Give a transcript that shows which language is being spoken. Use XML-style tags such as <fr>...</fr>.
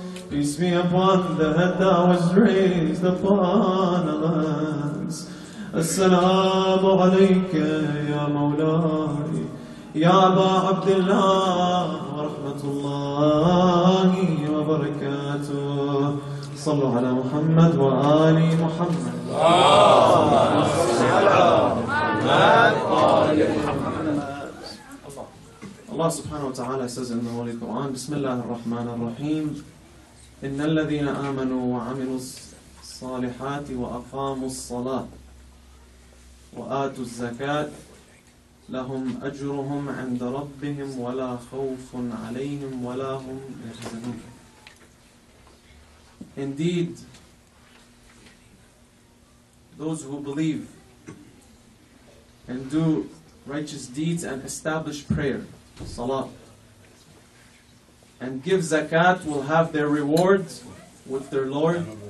<en>Peace be upon the head that was raised upon a lance.</en> <ar>السلام عليك يا مولاي يا أبا عبد الله ورحمة الله وبركاته. صلوا على محمد وآل محمد. اللهم صل على محمد وآل محمد. الله سبحانه وتعالى</ar> <en>says in the Holy Quran,</en> <ar>بسم الله الرحمن الرحيم. إن الذين آمنوا وعملوا الصالحات وأقاموا الصلاة وآتوا الزكاة لهم أجرهم عند ربهم ولا خوف عليهم ولا هم يحزنون.</ar> <en>Indeed, those who believe and do righteous deeds and establish prayer, salah, and give zakat will have their rewards with their Lord.</en>